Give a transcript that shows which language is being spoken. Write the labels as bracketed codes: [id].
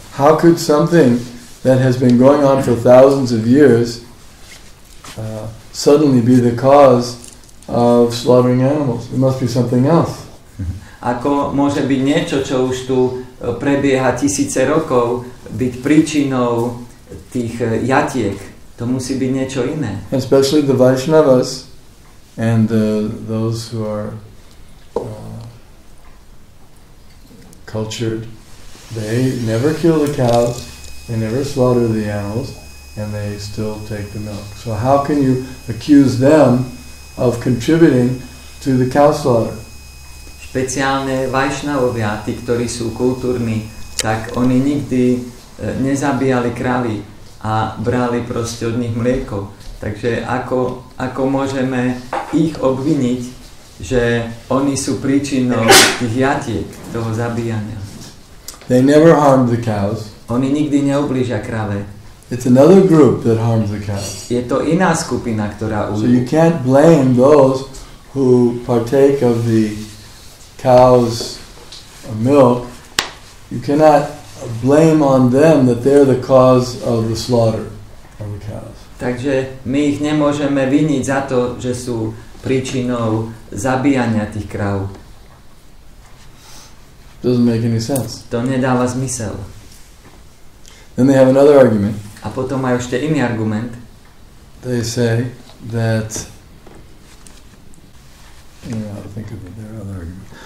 [en] How could something that has been going on for thousands of years suddenly be the cause of slaughtering animals? It must be something else. [sk] Ako môže byť niečo, čo už tu prebieha tisíce rokov, byť príčinou tých jatiek? To musí byť niečo iné. [en] Especially the Vaishnavas and those who are cultured, they never kill the cows, they never slaughter the animals, and they still take the milk. So how can you accuse them of contributing to the cow slaughter? [sk] Špeciálne Vaishnavovia, tí, ktorí sú kultúrni, tak oni nikdy nezabíjali kravy a brali proste od nich mlieko. Takže ako môžeme ich obviniť, že oni sú príčinou tých jatiek, toho zabíjania? [en] They never harmed the cows. [sk] Oni nikdy neublížia krave. [en] It's another group that harms the cows. [sk] Je to iná skupina, ktorá ublíži. [en] So you can't blame those who partake of the cow's milk. You cannot blame on them that they're the cause of the slaughter of the cows. [sk] Takže my ich nemôžeme viniť za to, že sú príčinou zabíjania tých kráv. [en] Doesn't make any sense. [sk] To nedáva zmysel. [en] Then they have another argument. [sk] A potom majú ešte iný argument. [en] They say that, I think of their other argument.